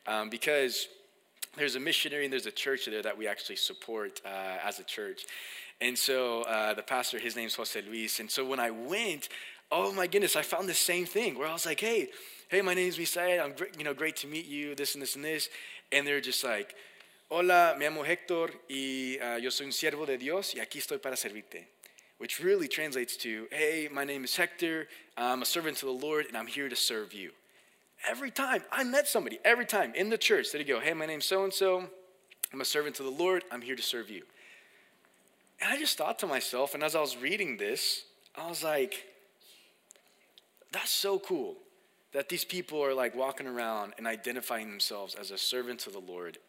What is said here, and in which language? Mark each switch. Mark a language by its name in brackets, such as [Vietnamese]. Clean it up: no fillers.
[English] Because there's a missionary and there's a church there that we actually support as a church. And so the pastor, his name's Jose Luis. And so when I went, oh my goodness, I found the same thing where I was like, hey, my name's Misael. I'm great, you know, great to meet you, this and this and this. [Spanish] And they're just like, hola, me llamo Hector, y yo soy un siervo de Dios, y aquí estoy para servirte. [English] Which really translates to, hey, my name is Hector, I'm a servant to the Lord, and I'm here to serve you. Every time, I met somebody, every time, in the church, they'd go, hey, my name's so-and-so, I'm a servant to the Lord, I'm here to serve you. And I just thought to myself, and as I was reading this, I was like, that's so cool that these people are like walking around and identifying themselves as a servant to the Lord.